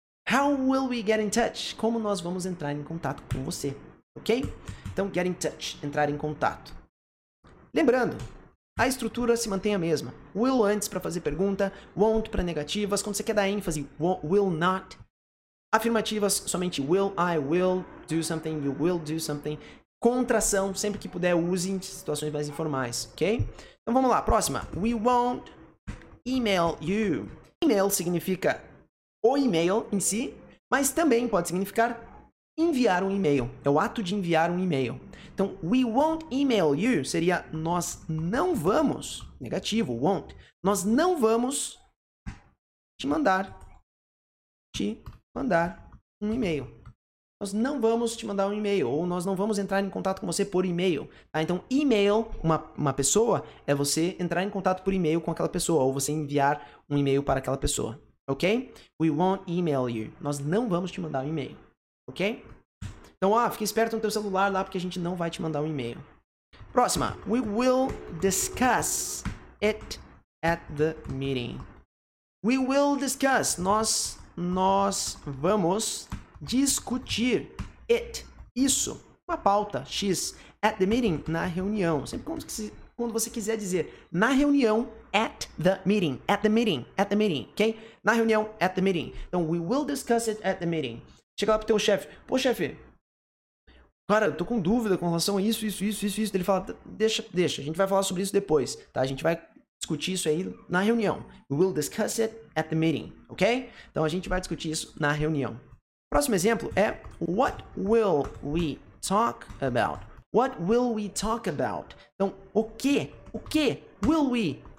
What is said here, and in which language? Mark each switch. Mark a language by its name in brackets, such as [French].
[English] How will we get in touch? [Portuguese] Como nós vamos entrar em contato com você? Ok? Então, [English] get in touch, [Portuguese] entrar em contato. Lembrando, a estrutura se mantém a mesma. Will antes para fazer pergunta, won't para negativas. Quando você quer dar ênfase, will not. Afirmativas, somente [English] will, I will do something, you will do something. [Portuguese] Contração, sempre que puder, use em situações mais informais, ok? Então, vamos lá. Próxima. [English] We won't email you. [Portuguese] Email significa o e-mail em si, mas também pode significar enviar um e-mail. É o ato de enviar um e-mail. Então, [English] we won't email you [Portuguese] seria nós não vamos, negativo, won't. Nós não vamos te mandar um e-mail. Nós não vamos te mandar um e-mail ou nós não vamos entrar em contato com você por e-mail. Tá? Então, e-mail, uma pessoa, é você entrar em contato por e-mail com aquela pessoa ou você enviar um e-mail para aquela pessoa. Ok? [English] We won't email you. [Portuguese] Nós não vamos te mandar um e-mail. Ok? Então, fica esperto no teu celular lá porque a gente não vai te mandar um e-mail. Próxima. [English] We will discuss it at the meeting. We will discuss. [Portuguese] Nós vamos discutir it. Isso. Uma pauta. X. [English] At the meeting. [Portuguese] Na reunião. Sempre quando você quiser dizer na reunião, [English] at the meeting. At the meeting. At the meeting. Ok? [Portuguese] Na reunião, [English] at the meeting. Então, we will discuss it at the meeting. [Portuguese] Chega lá pro teu chefe. Pô, chefe. Cara, eu tô com dúvida com relação a isso. Ele fala, deixa. A gente vai falar sobre isso depois, tá? A gente vai discutir isso aí na reunião. [English] We will discuss it at the meeting, ok? [Portuguese] Então, a gente vai discutir isso na reunião. Próximo exemplo é, [English] what will we talk about? What will we talk about? [Portuguese] Então, o quê? [English] Will we?